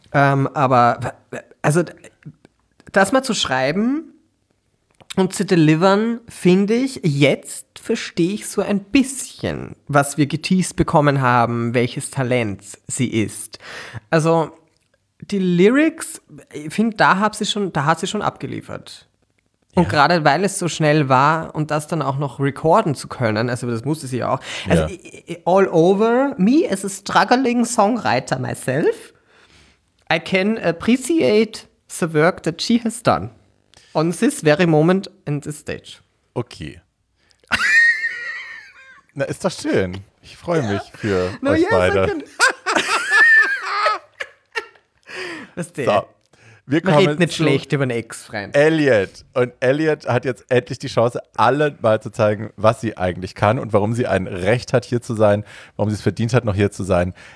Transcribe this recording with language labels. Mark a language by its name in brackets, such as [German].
[German] Aber, also das mal zu schreiben und zu delivern, finde ich, jetzt verstehe ich so ein bisschen, was wir geteased bekommen haben, welches Talent sie ist. Also die Lyrics, ich finde, da hat sie schon abgeliefert. Und gerade weil es so schnell war und das dann auch noch recorden zu können, also das musste sie auch. [English] Also all over me as a struggling songwriter myself, I can appreciate the work that she has done on this very moment in this stage. [German] Okay. Na, ist das schön. Ich freue mich für euch beide. Was denn? So. Wir kommen, man redet nicht schlecht über einen Ex-Freund. Elliot. Und Elliot hat jetzt endlich die Chance, allen mal zu zeigen, was sie eigentlich kann und warum sie ein Recht hat, hier zu sein, warum sie es verdient hat, noch hier zu sein.